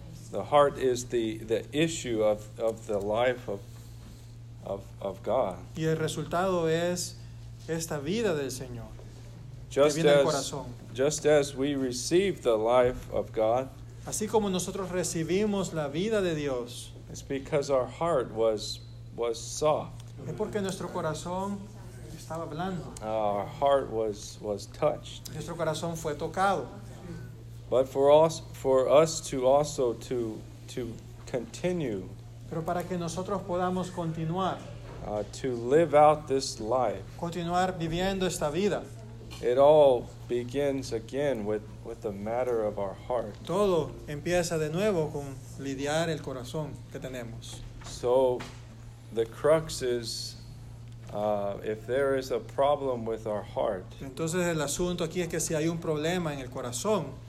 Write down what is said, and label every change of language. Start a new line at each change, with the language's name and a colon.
English: The heart is the issue of the life of God.
Spanish: Y el resultado es esta vida del Señor.
English: Just as we receive the life of God.
Spanish: Así como nosotros recibimos la vida de Dios,
English: It's because our heart was soft.
Spanish: Es porque nuestro corazón estaba blando.
English: Our heart was touched.
Spanish: Nuestro corazón fue tocado.
English: But for us to continue.
Spanish: Pero para que nosotros podamos continuar.
English: To live out this life.
Spanish: Continuar viviendo esta vida.
English: It all begins again with the matter of our heart.
Spanish: Todo empieza de nuevo con lidiar el corazón que tenemos.
English: So the crux is if there is a problem with our heart.
Spanish: Entonces el asunto aquí es que si hay un problema en el corazón.